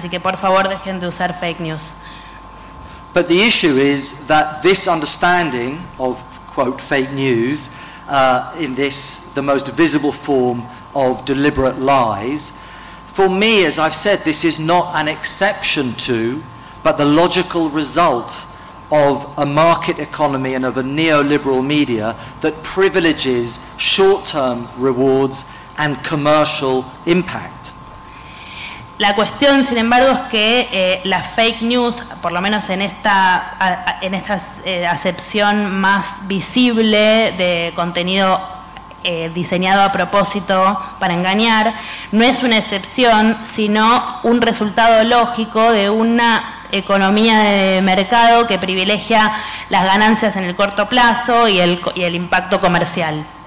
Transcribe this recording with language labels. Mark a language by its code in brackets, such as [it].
[es] Así que por favor dejen de usar fake news. [en] But the issue is that this understanding of quote fake news in this the most visible form of deliberate lies. For me, as I've said, this is not an exception to, but the logical result of a market economy and of a neoliberal media that privileges short-term rewards and commercial impact. [es] La cuestión, sin embargo, es que la fake news, por lo menos en esta acepción más visible de contenido diseñado a propósito para engañar, no es una excepción, sino un resultado lógico de una economía de mercado que privilegia las ganancias en el corto plazo y el impacto comercial.